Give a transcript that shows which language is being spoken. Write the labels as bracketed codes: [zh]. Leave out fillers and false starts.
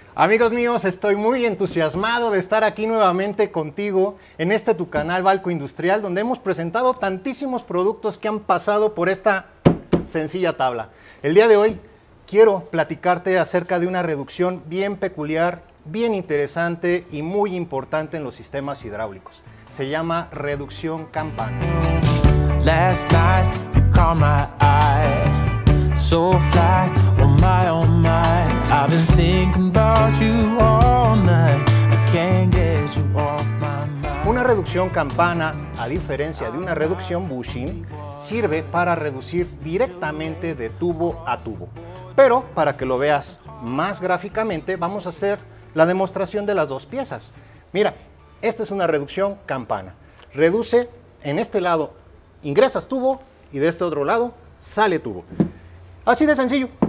[es] Amigos míos, estoy muy entusiasmado de estar aquí nuevamente contigo en este tu canal Balco Industrial, donde hemos presentado tantísimos productos que han pasado por esta sencilla tabla. El día de hoy quiero platicarte acerca de una reducción bien peculiar, bien interesante y muy importante en los sistemas hidráulicos. Se llama reducción campana. [en] Last night you caught my eye. So fly, oh my, I've been thinking about you all night. I can't get you off my mind. [es] Una reducción campana, a diferencia de una reducción bushing, sirve para reducir directamente de tubo a tubo. Pero para que lo veas más gráficamente, vamos a hacer la demostración de las dos piezas. Mira, esta es una reducción campana. Reduce en este lado, ingresas tubo, y de este otro lado sale tubo. Así de sencillo.